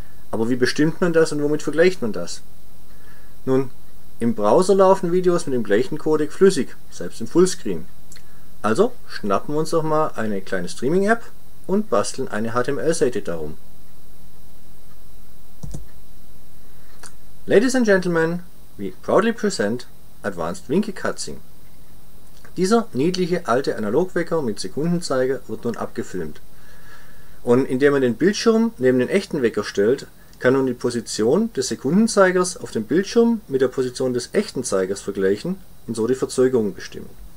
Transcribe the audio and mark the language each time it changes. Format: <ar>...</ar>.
<de>Aber wie bestimmt man das und womit vergleicht man das? Nun, im Browser laufen Videos mit dem gleichen Codec flüssig, selbst im Fullscreen. Also schnappen wir uns doch mal eine kleine Streaming-App und basteln eine HTML-Seite darum.</de> <en>Ladies and Gentlemen, we proudly present Advanced Winkelcutting.</en> <de>Dieser niedliche alte Analogwecker mit Sekundenzeiger wird nun abgefilmt. Und indem man den Bildschirm neben den echten Wecker stellt, kann nun die Position des Sekundenzeigers auf dem Bildschirm mit der Position des echten Zeigers vergleichen und so die Verzögerung bestimmen.</de>